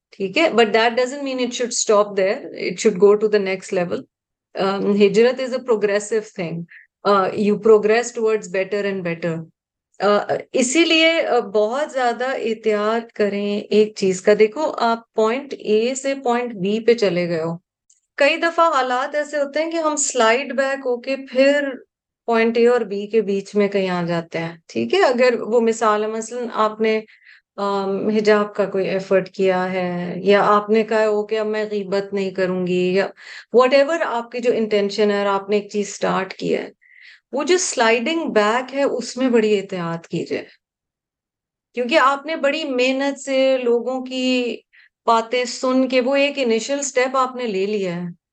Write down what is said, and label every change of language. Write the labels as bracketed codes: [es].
[ur] ٹھیک ہے, [en] But that doesn't mean it should stop there, it should go to the next level. ہجرت is a progressive thing, you progress towards better and better. [ur] اسی لیے بہت زیادہ احتیاط کریں ایک چیز کا. دیکھو آپ پوائنٹ اے سے پوائنٹ بی پہ چلے گئے ہو, کئی دفعہ حالات ایسے ہوتے ہیں کہ ہم سلائڈ بیک ہو کے پھر پوائنٹ اے اور بی کے بیچ میں کہیں آ جاتے ہیں. ٹھیک ہے, اگر وہ مثال ہے مثلاً آپ نے حجاب کا کوئی ایفرٹ کیا ہے, یا آپ نے کہا ہو کہ اب میں غیبت نہیں کروں گی, یا واٹ ایور آپ کی جو انٹینشن ہے اور آپ نے ایک چیز اسٹارٹ کی ہے, وہ جو سلائڈنگ بیک ہے اس میں بڑی احتیاط کیجیے, کیونکہ آپ نے بڑی محنت سے لوگوں کی باتیں سن کے وہ ایک انیشل اسٹیپ آپ نے لے لیا ہے.